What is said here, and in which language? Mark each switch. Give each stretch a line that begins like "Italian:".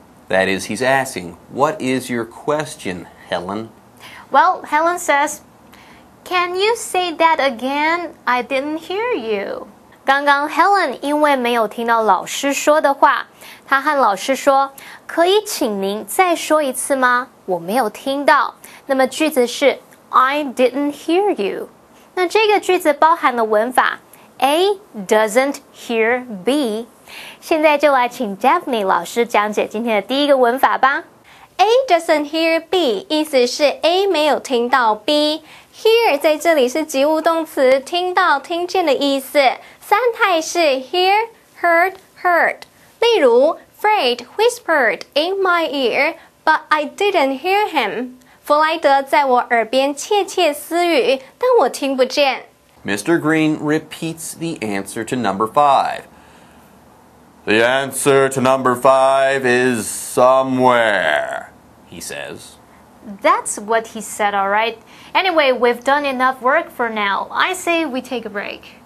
English: That is, he's asking, What is your question, Helen? Well, Helen says, Can you say that again? I didn't hear you.
Chinese: 刚刚 Helen 因为没有听到老师说的话，她和老师说：“可以请您再说一次吗？我没有听到。” 那么句子是
English: I didn't hear you。
Chinese: 那这个句子包含了文法
English: A doesn't hear B。
Chinese: 现在就来请 Daphne 老师讲解今天的第一个文法吧。
English: A doesn't hear B
Chinese: 意思是 A 没有听到 B。 Hear 在这里是及物动词，听到、听见的意思。三态是
English: hear, heard, heard.
Chinese: 例如
English: Fred whispered in my ear, but I didn't hear him.
Chinese: 弗莱德在我耳边窃窃私语，但我听不见。
English: Mr. Green repeats the answer to number five. The answer to number five is somewhere, he says. That's what he said, all right. Anyway, we've done enough work for now. I say we take a break.